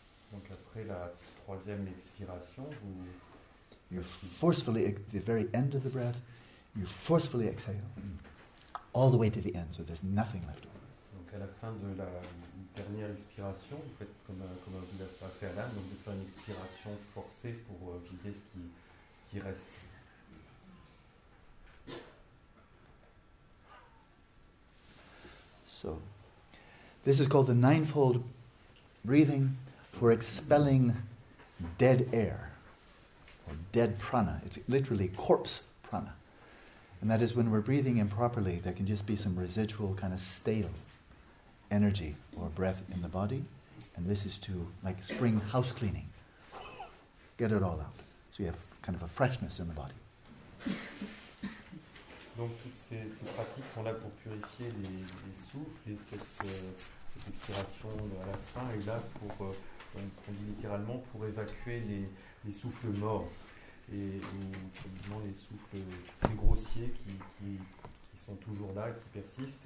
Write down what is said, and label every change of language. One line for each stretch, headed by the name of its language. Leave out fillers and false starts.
French: Donc après la troisième expiration, vous
English: you forcefully at the very end of the breath, you forcefully exhale all the way to the end, so there's nothing left over.
French: À la fin de la dernière expiration, vous faites comme vous l'avez pas fait à l'âme, donc vous faites une expiration forcée pour vider ce qui reste.
English: So, this is called the ninefold breathing for expelling dead air or dead prana. It's literally corpse prana. And that is when we're breathing improperly, there can just be some residual kind of stale energy or breath in the body, and this is to like spring house cleaning, get it all out, so you have kind of a freshness in the body.
French: Donc toutes ces pratiques sont là pour purifier les souffles, et cette expiration à la fin est là pour, on dit littéralement, pour évacuer les souffles morts et évidemment les souffles très grossiers qui sont toujours là, qui persistent.